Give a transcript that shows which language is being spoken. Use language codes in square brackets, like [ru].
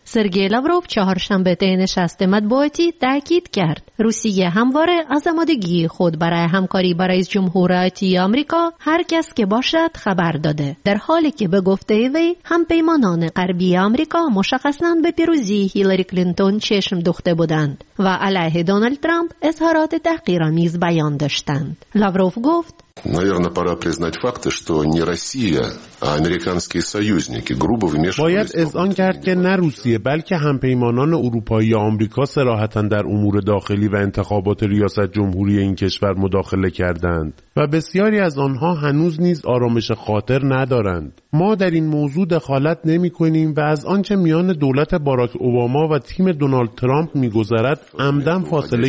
[fa] سرگی لاوروف چهارشنبه طی نشست مطبوعاتی تاکید کرد روسیه همواره از آمادگی خود برای همکاری با رئیس جمهور آمریکا هر کس که باشد خبر داده، در حالی که به گفته وی همپیمانان غربی آمریکا مشخصا به پیروزی هیلاری کلینتون چشم دوخته بودند و علیه دونالد ترامپ اظهارات تحقیرآمیز بیان داشتند. لاوروف گفت: [ru] Наверное, пора признать факты, что не Россия, а американские союзники грубо вмешивались. [fa] باید اذعان کرد که نه روسیه بلکه همپیمانان اروپایی یا آمریکا صراحتاً در امور داخلی و انتخابات ریاست جمهوری این کشور مداخله کردند و بسیاری از آنها هنوز نیز آرامش خاطر ندارند. ما در این موضوع دخالت نمی‌کنیم و از آنچه میان دولت باراک اوباما و تیم دونالد ترامپ می‌گذرد عمدن فاصله